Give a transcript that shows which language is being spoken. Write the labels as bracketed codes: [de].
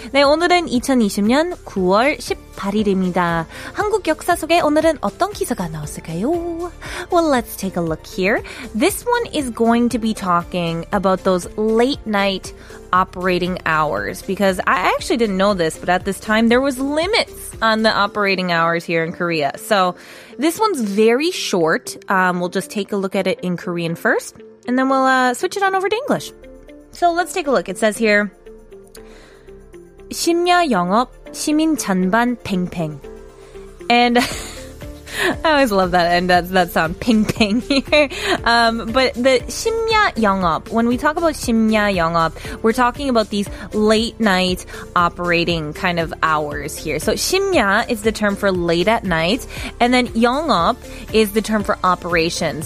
[ko] 네, 오늘은 2020년 9월 18일입니다. 한국 역사 속에 오늘은 어떤 기사가 나왔을까요? [en] Well, let's take a look here. This one is going to be talking about those late night operating hours because I actually didn't know this, but at this time there was limits on the operating hours here in Korea. So this one's very short. We'll just take a look at it in Korean first and then we'll switch it on over to English. So let's take a look. It says here, [ko] 심야 영업 시민 잔반 팽팽. [en] And I always love that and that sound pingping here. But the 심야 영업, when we talk about 심야 영업, we're talking about these late night operating kind of hours here. So 심야 is the term for late at night, and then 영업 is the term for operations.